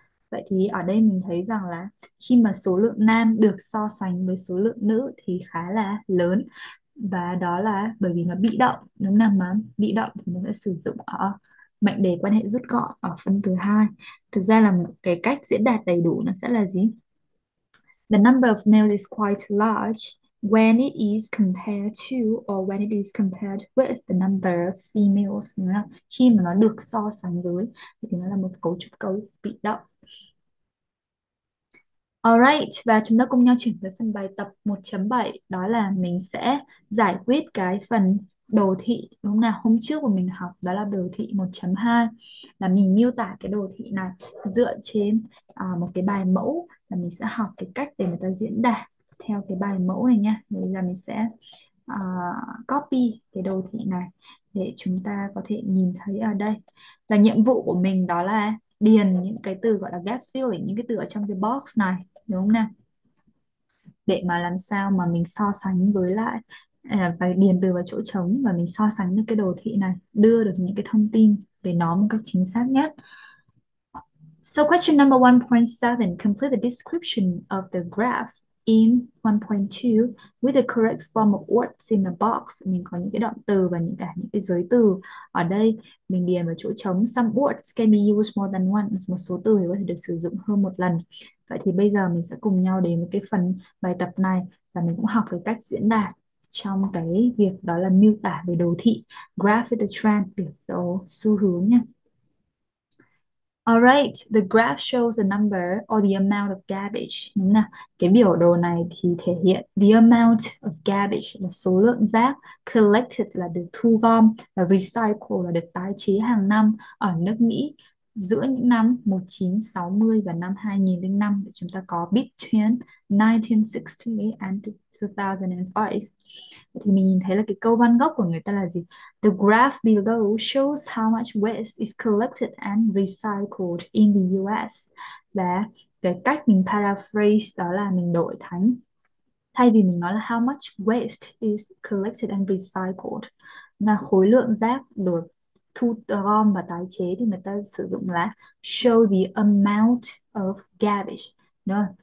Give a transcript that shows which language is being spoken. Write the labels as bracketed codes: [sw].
[vi] Vậy thì ở đây mình thấy rằng là khi mà số lượng nam được so sánh với số lượng nữ thì khá là lớn, và đó là bởi vì nó bị động, đúng không nào? Mà bị động thì mình sẽ sử dụng ở mệnh đề quan hệ rút gọn ở phân thứ hai. Thực ra là một cái cách diễn đạt đầy đủ nó sẽ là gì? [en] The number of males is quite large when it is compared to or when it is compared with the number of females, [vi] đúng không? Khi mà nó được so sánh với thì nó là một cấu trúc câu bị động. Alright, và chúng ta cùng nhau chuyển tới phần bài tập 1.7, đó là mình sẽ giải quyết cái phần đồ thị, đúng không nào? Hôm trước của mình học đó là đồ thị 1.2, là mình miêu tả cái đồ thị này dựa trên một cái bài mẫu, là mình sẽ học cái cách để người ta diễn đạt theo cái bài mẫu này nha. Bây giờ mình sẽ copy cái đồ thị này để chúng ta có thể nhìn thấy ở đây. Và nhiệm vụ của mình đó là điền những cái từ gọi là gap filling, những cái từ ở trong cái box này, đúng không nào? Để mà làm sao mà mình so sánh với lại và điền từ vào chỗ trống và mình so sánh được cái đồ thị này, đưa được những cái thông tin về nó một cách chính xác nhất. [en] So question number 1.7, complete the description of the graph in 1.2 with the correct form of words in the box. [vi] Mình có những cái động từ và những cái giới từ. Ở đây mình điền vào chỗ trống. [en] Some words can be used more than once. [vi] Một số từ thì có thể được sử dụng hơn một lần. Vậy thì bây giờ mình sẽ cùng nhau đến với cái phần bài tập này và mình cũng học cái cách diễn đạt trong cái việc đó là miêu tả về đồ thị. [en] Graph is the trend, [vi] biểu đồ xu hướng nha. [en] Alright, the graph shows the number or the amount of garbage. [vi] Đúng nào? Cái biểu đồ này thì thể hiện [en] the amount of garbage [vi] là số lượng rác, collected là được thu gom và recycle là được tái chế hàng năm ở nước Mỹ giữa những năm 1960 và năm 2005. Chúng ta có [en] between 1960 and 2005. [vi] Thì mình nhìn thấy là cái câu văn gốc của người ta là gì? [en] The graph below shows how much waste is collected and recycled in the US. [vi] Và cái cách mình paraphrase đó là mình đổi thành, thay vì mình nói là [en] how much waste is collected and recycled, [vi] là khối lượng rác được thu gom và tái chế, thì người ta sử dụng là [en] show the amount of garbage. [vi] Đúng không?